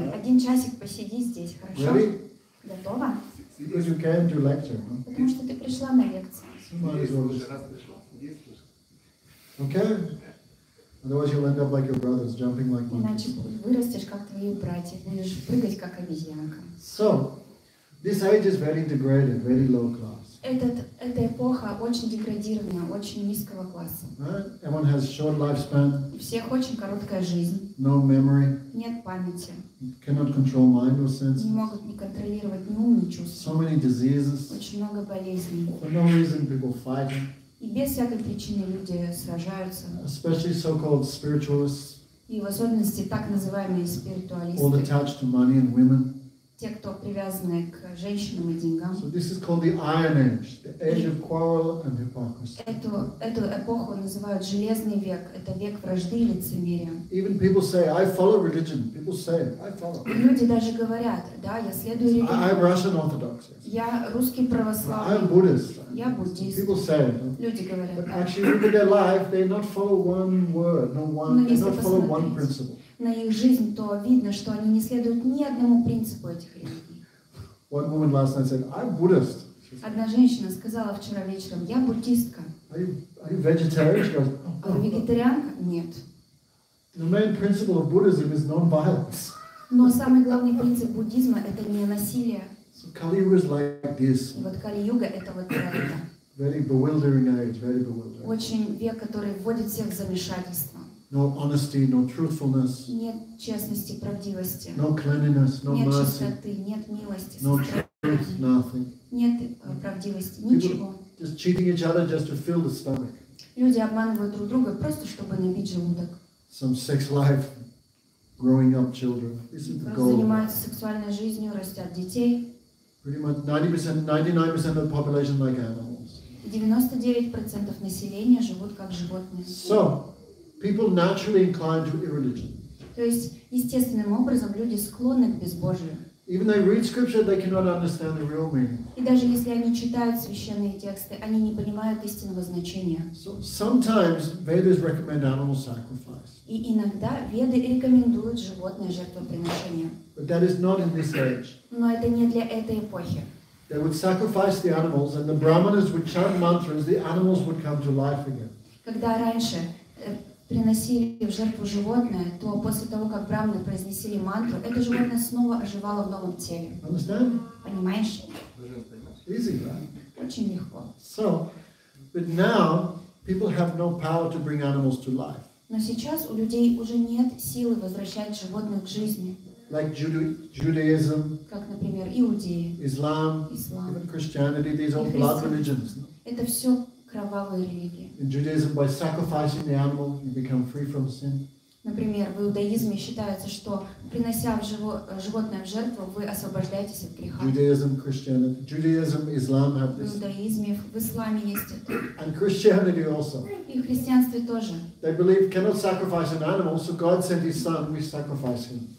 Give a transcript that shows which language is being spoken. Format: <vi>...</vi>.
<ru>Один часик посиди здесь, хорошо?</ru> <en>Ready?</en> <ru>Готова?</ru> <en>Because you came to lecture. Huh?</en> <ru>Потому что ты пришла на лекцию.</ru> <en>Okay. Otherwise you'll end up like your brothers, jumping like monkeys.</en> <ru>Иначе вырастешь как твои братья, будешь прыгать как обезьянка.</ru> <en>So, this age is very degraded, very low class.</en> <ru>Эта эпоха очень деградированная, очень низкого класса.</ru> <en>Right? Everyone has short lifespan.</en> <ru>У всех очень короткая жизнь.</ru> <en>No memory.</en> <ru>Нет памяти.</ru> <en>Cannot control mind or senses.</en> <ru>Не могут не контролировать ни ум, ни чувства.</ru> <en>So many diseases.</en> <ru>Очень много болезней.</ru> <en>For no reason people fight.</en> <ru>И без всякой причины люди сражаются.</ru> <en>Especially so-called spiritualists.</en> <ru>И в особенности так называемые спиритуалисты.</ru> <en>All attached to money and women.</en> <ru>Те, кто привязаны к женщинам и деньгам.</ru> <en>So this is called the Iron Age, the age of quarrel and hypocrisy.</en> <ru>Эту эпоху называют Железный век. Это век вражды и лицемерия.</ru> <en>Even people say, I follow religion. People say, I follow.</en> <ru>Люди даже говорят, да, я следую религии.</ru> <en>I'm Russian Orthodox.</en> <ru>Я русский православный.</ru> <en>I'm Buddhist.</en> <ru>Я буддист.</ru> <en>People say.</en> <ru>Люди говорят.</ru> <en>But actually, look at their life. They not follow one word, no one. They not follow one principle.</en> <ru>На их жизнь, то видно, что они не следуют ни одному принципу этих религий.</ru> <en>One woman last night said, I'm Buddhist.</en> <ru>Одна женщина сказала вчера вечером, я буддистка.</ru> <en>Are you vegetarian? She goes, oh, no.</en> <ru>А вегетарианка? Нет.</ru> <en>The main principle of Buddhism is non-violence.</en> <ru>Но самый главный принцип буддизма – это не насилие.</ru> <en>So Kali-Yuga is like this.</en> <ru>И вот Кали-Юга – это вот это.</ru> <en>Very bewildering age, very bewildering.</en> <ru>Очень век, который вводит всех в замешательство.</ru> <en>No honesty, no truthfulness.</en> <ru>Нет честности, правдивости.</ru> <en>No cleanliness, no</en> <ru>нет</ru> <en>mercy.</en> <ru>Чистоты, нет милости.</ru> <en>No truth, nothing.</en> <ru>Нет правдивости, ничего.</ru> <en>People just cheating each other just to fill the stomach.</en> <ru>Люди обманывают друг друга просто чтобы набить желудок.</ru> <en>Some sex life, growing up children. This is the goal.</en> <ru>Просто занимаются сексуальной жизнью, растят детей.</ru> <en>Pretty much 90%, 99% of the population like animals.</en> <ru>99% населения живут как животные.</ru> <en>So. People naturally inclined to irreligion.</en> <ru>То есть естественным образом люди склонны к безбожию.</ru> <en>Even they read scripture, they cannot understand the real meaning.</en> <ru>И даже если они читают священные тексты, они не понимают истинного значения.</ru> <en>So sometimes Vedas recommend animal sacrifice.</en> <ru>И иногда Веды рекомендуют животное жертвоприношение.</ru> <en>But that is not in this age.</en> <ru>Но это не для этой эпохи.</ru> <en>They would sacrifice the animals, and the brahmanas would chant mantras. The animals would come to life again.</en> <ru>Когда раньше приносили в жертву животное, то после того, как брахманы произнесли мантру, это животное снова оживало в новом теле.</ru> <en>Understand?</en> <ru>Понимаешь?</ru> <en>Easy, right?</en> <ru>Очень легко.</ru> <en>So, but now people have no power to bring animals to life.</en> <ru>Но сейчас у людей уже нет силы возвращать животных к жизни.</ru> <en>Like Judaism.</en> <ru>Как, например, иудеи.</ru> <en>Ислам. Even Christianity. These are blood religions.</en> <ru>Это все.</ru> <en>In Judaism, by sacrificing the animal, you become free from sin.</en> <ru>Например, в иудаизме считается, что принося животное в жертву, вы освобождаетесь от греха.</ru> <en>Judaism, Islam have this.</en> <ru>В иудаизме, в исламе есть это.</ru> <en>And Christianity also.</en> <ru>И в христианстве тоже.</ru> <en>They believe cannot sacrifice an animal, so God sent His Son, we sacrifice Him.</en>